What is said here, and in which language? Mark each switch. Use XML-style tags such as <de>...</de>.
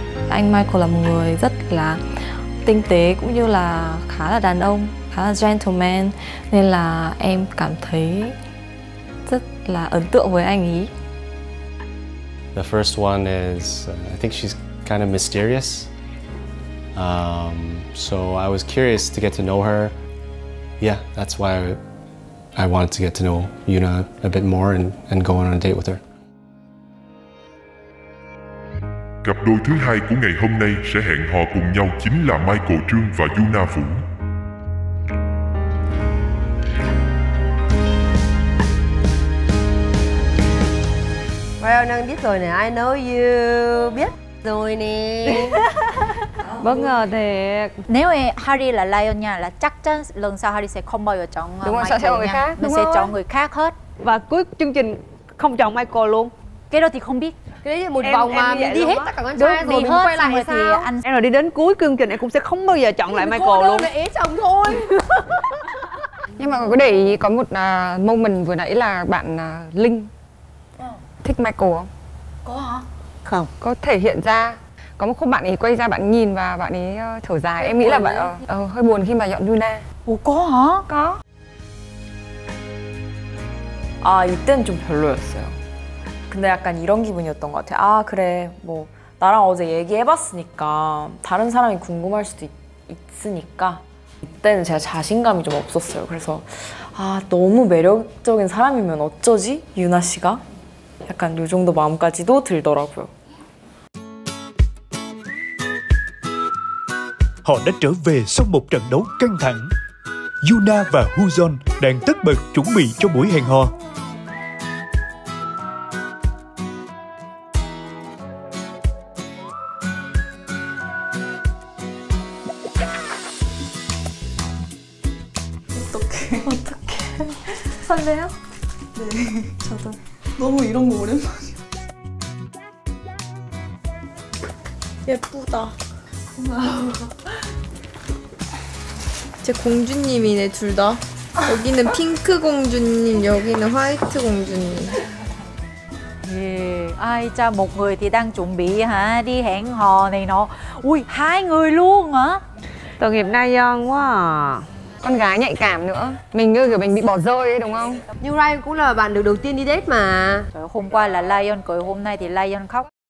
<vi>Anh Michael là một người rất là tinh tế cũng như là khá là đàn ông, khá là gentleman. Nên là em cảm thấy rất là ấn tượng với anh ý.</vi> <en>The first one is, I think she's kind of mysterious. So I was curious to get to know her. Yeah, that's why I wanted to get to know Yuna a bit more and go on a date with her.</en> <vi>Cặp đôi thứ hai của ngày hôm nay sẽ hẹn hò cùng nhau chính là Michael Trương và Yuna Vũ.</vi> <en>Well,</en> <vi>đang biết rồi nè,</vi> <en>I know you,</en> <vi>biết rồi nè. Bất ngờ thiệt. Nếu Harry là Lion nha, là chắc chắn lần sau Harry sẽ không bao giờ chọn Michael nha. Đúng rồi, sẽ chọn người khác. Mình sẽ chọn người khác hết. Và cuối chương trình không chọn Michael luôn. Cái đó thì không biết. Cái đấy là một vòng mà mình đi hết tất cả con trai rồi mình quay lại hay thì sao? Anh... Em rồi đi đến cuối chương trình em cũng sẽ không bao giờ chọn lại Michael luôn. Thôi đâu là ế chồng thôi. Nhưng mà có để ý có một moment vừa nãy là bạn Linh thích Michael không? Có hả? Không. Có thể hiện ra. Có một khúc bạn ấy quay ra bạn nhìn và bạn ấy thở dài. Em nghĩ là bạn hơi buồn khi mà dọn Luna. Ủa có hả? Có.</vi> <ko>À, 이때는 좀 별로였어요. 근데 약간 이런 기분이었던 것 같아요. 아 그래 뭐 나랑 어제 얘기해봤으니까 다른 사람이 궁금할 수도 있으니까 이때는 제가 자신감이 좀 없었어요. 그래서 아 너무 매력적인 사람이면 어쩌지? 유나 씨가? 약간 요 정도 마음까지도 들더라고요.</ko> <vi>họ đã trở về sau một trận đấu căng thẳng. Yuna và Hu Yeon đang tất bật chuẩn bị cho buổi hẹn hò.</vi> <ko>Công주님이네 둘 다. 여기는 핑크 공주님, 여기는 화이트 공주님.</ko> <vi>Ai cho một người thì đang chuẩn bị hả đi hẹn hò này nọ. Ui, hai người luôn hả? Tội nghiệp Nayeon quá. con gái nhạy cảm nữa. Mình như kiểu mình bị bỏ rơi ấy, đúng không? Như Ryan cũng là bạn được đầu tiên đi date mà. Trời, hôm qua là Lion cười, hôm nay thì Lion khóc.</vi>